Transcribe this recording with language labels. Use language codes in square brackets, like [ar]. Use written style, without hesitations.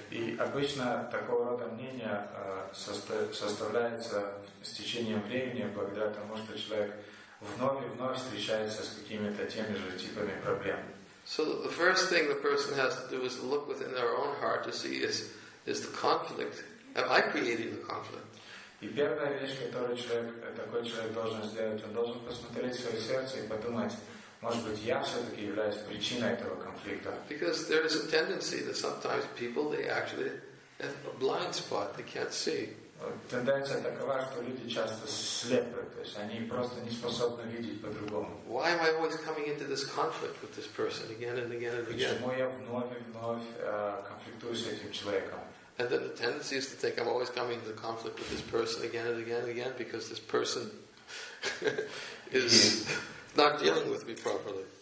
[ru] И обычно такого рода мнение составляется с течением времени благодаря тому, что человек вновь и вновь встречается с какими-то теми же типами проблем. [en] So the first thing the person has to do is look within their own heart to see is the conflict. Am I creating the conflict? [ru] И первая вещь, которую такой человек должен сделать, он должен посмотреть в свое сердце и подумать, может быть, я все-таки являюсь причиной этого конфликта. [en] Because there is a tendency that sometimes people, they actually have a blind spot, they can't see. [ru] Тенденция такова, что люди часто слепы, то есть они просто не способны видеть по-другому. [en] Why am I always coming into this conflict with this person again and again and again? [ru] Почему я вновь и вновь конфликтую с этим человеком? [en] And then the tendency is to think, I'm always coming into conflict with this person again and again and again because this person is not dealing with me properly.